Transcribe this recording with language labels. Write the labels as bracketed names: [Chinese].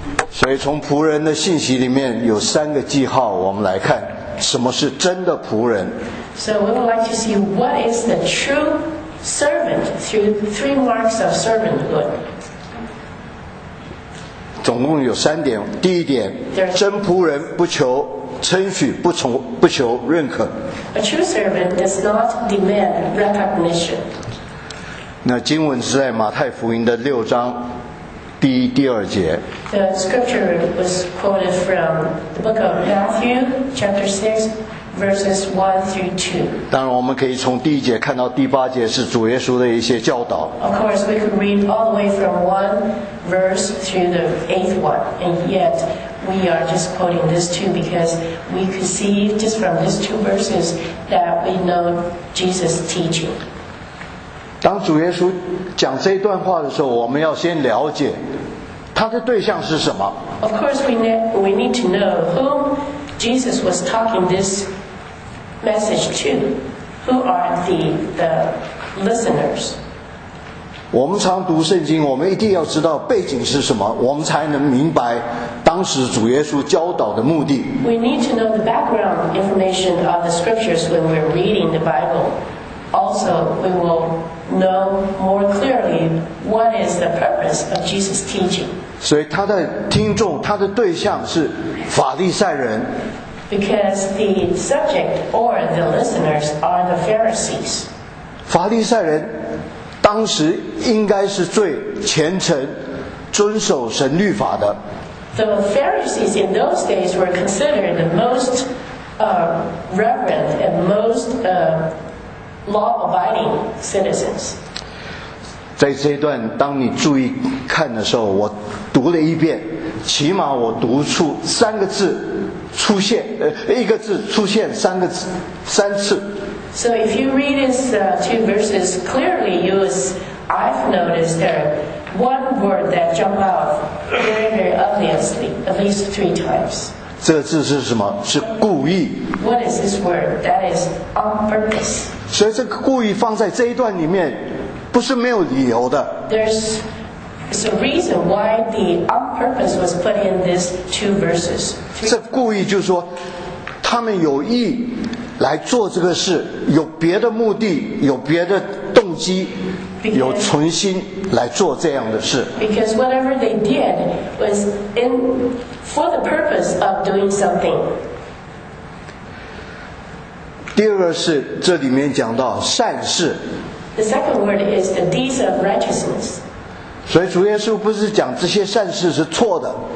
[Chinese] 所以从仆人的信息里面有三个记号，我们来看什么是真的仆人。 [English] So we would like to see what is the true servant through three marks of servanthood. [Chinese] 总共有三点。第一点，真仆人不求称许，不求认可。 [English] A true servant does not demand recognition. [Chinese] 那经文是在马太福音的六章第二节。 [English] The scripture was quoted from the book of Matthew, chapter 6, verses 1 through 2. [Chinese] 当然我们可以从第一节看到第八节是主耶稣的一些教导。 [English] Of course, we could read all the way from 1 verse through the 8th one. And yet, we are just quoting this too because we could see just from these two verses that we know Jesus' teaching. [Chinese] 当主耶稣讲这段话的时候，我们要先了解他的对象是什么。 [English] Of course, we need to know whom Jesus was talking this message to. Who are the listeners? [Chinese] 我们常读圣经，我们一定要知道背景是什么，我们才能明白当时主耶稣教导的目的。 [English] We need to know the background information of the scriptures when we're reading the Bible. Also, we will. Know more clearly what is the purpose of Jesus' teaching. [Chinese] 所以他的听众，他的对象是法利赛人。 [English] Because the subject or the listeners are the Pharisees. [Chinese] 法利赛人当时应该是最虔诚、遵守神律法的。 [English] The Pharisees in those days were considered the most reverent and most. Law-abiding citizens. [Chinese] 在这一段，当你注意看的时候，我读了一遍，起码我读出三个字出现，一个字出现三个字三次。 [English] So if you read these two verses clearly, I've noticed there one word that jumped out very, very obviously at least three times. [Chinese] 这个字是什么？是故意。 [English] What is this word? That is on purpose. [Chinese] 所以这个故意放在这一段里面，不是没有理由的。 [English] There's a reason why the on purpose was put in these two verses. [Chinese] 这故意就是说，他们有意来做这个事，有别的目的，有别的动机。 [English] Because, [Chinese] 有存心来做这样的事。 [English] Because whatever they did was in for the purpose of doing something. [Chinese] 第二个是这里面讲到善事。 [English] The second word is the deeds of righteousness. [Chinese] 所以主耶稣不是讲这些善事是错的。